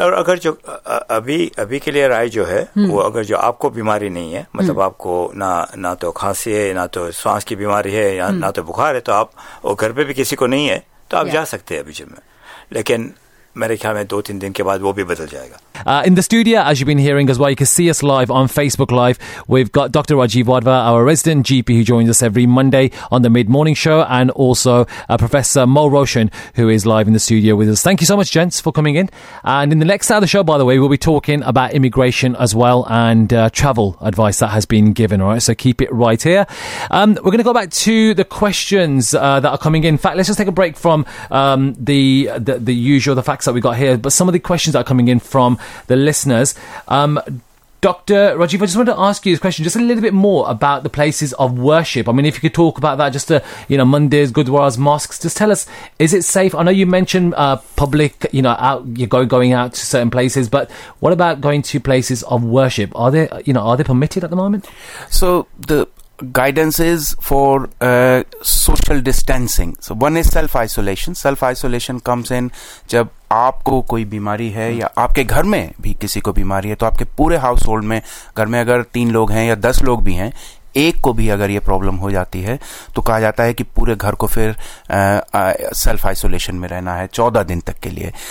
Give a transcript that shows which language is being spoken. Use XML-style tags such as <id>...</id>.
<hi>और अगर जो अभी के लिए राय जो है वो, अगर जो आपको बीमारी नहीं है, मतलब आपको ना तो खांसी है, ना तो सांस की बीमारी है, या ना तो बुखार है, तो आप वो घर पे भी किसी को नहीं है तो आप जा सकते हैं अभी जिम में, लेकिन मेरे ख्याल में 2-3 दिन के बाद वो भी बदल जाएगा।</hi> <en>In the studio, as you've been hearing as well, you can see us live on Facebook Live. We've got Dr. Rajiv Wadhwa, our resident GP, who joins us every Monday on the mid-morning show, and also Professor Mo Roshan, who is live in the studio with us. Thank you so much, gents, for coming in. And in the next hour of the show, by the way, we'll be talking about immigration as well and travel advice that has been given. All right, so keep it right here. We're going to go back to the questions that are coming in. In fact, let's just take a break from the facts that we got here, but some of the questions that are coming in from the listeners. Dr. Rajiv, I just wanted to ask you this question just a little bit more about the places of worship. I mean, if you could talk about that, just to, you know, mandirs, gurdwaras, mosques, just tell us, is it safe? I know you mentioned public, you know, going out to certain places, but what about going to places of worship? Are they, you know, are they permitted at the moment? So the guidance is for social distancing. So one is self-isolation. Self-isolation comes in</en> <hi>jab आपको कोई बीमारी है या आपके घर में भी किसी को बीमारी है, तो आपके पूरे हाउस होल्ड में, घर में अगर 3 लोग हैं या 10 लोग भी हैं, एक को भी अगर ये प्रॉब्लम हो जाती है तो कहा जाता है कि पूरे घर को फिर सेल्फ आइसोलेशन में रहना है 14 दिन तक के लिए।</hi>